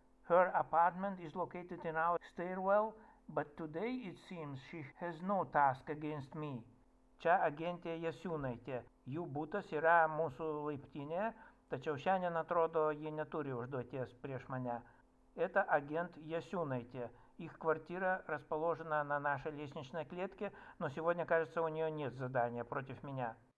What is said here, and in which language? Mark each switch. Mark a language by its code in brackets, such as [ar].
[en] Her apartment is located in our stairwell, but today it seems she has no task against me. [lt] Čia agentė Yasunaite. Jų butas yra mūsų laiptinė, tačiau šiandien atrodo, ji neturi užduoties prieš mane. [ru] Это агент Yasunaite. Их квартира расположена на нашей лестничной клетке, но сегодня, кажется, у нее нет задания против меня.